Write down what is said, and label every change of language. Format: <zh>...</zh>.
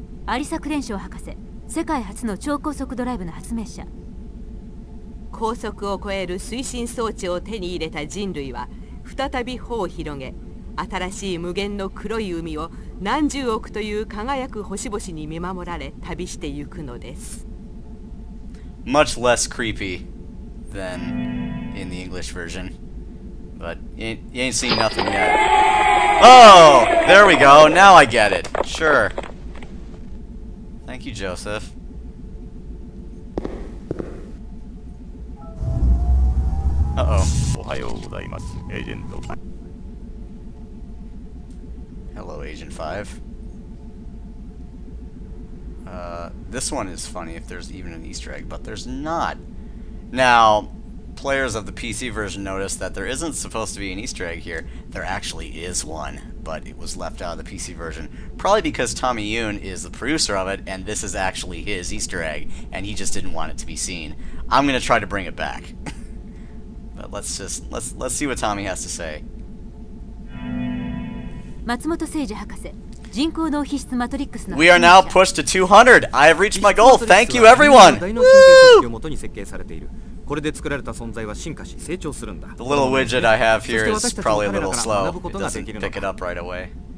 <ja>アリサ・クレンショー博士、世界初の超高速ドライブの発明者。高速を超える推進装置を手に入れた人類は再び帆を広げ、新しい無限の黒い海を何十億という輝く星々に見守られ旅して行くのです。</ja> <en>Much less creepy than in the English version, but you ain't seen nothing yet. Oh, there we go. Now I get it. Sure. Thank you, Joseph.</en> <ja>おはようございます、エージェント。</ja> <en>Hello, Agent 5. This one is funny if there's even an Easter egg, but there's not. Now, players of the PC version notice that there isn't supposed to be an Easter egg here. There actually is one. But it was left out of the PC version. Probably because Tommy Yoon is the producer of it, and this is actually his Easter egg, and he just didn't want it to be seen. I'm gonna try to bring it back. But let's see what Tommy has to say.</en> <ja>松本誠二博士、人工脳皮質マトリックスの。</ja> <en>We are now pushed to 200. I have reached my goal. Thank you, everyone.</en> <ja>大脳神経組織を元に設計されている。これで作られた存在は進化し成長するんだ。</ja> <en>The little widget I have here is probably a little slow. It doesn't pick it up right away.</en>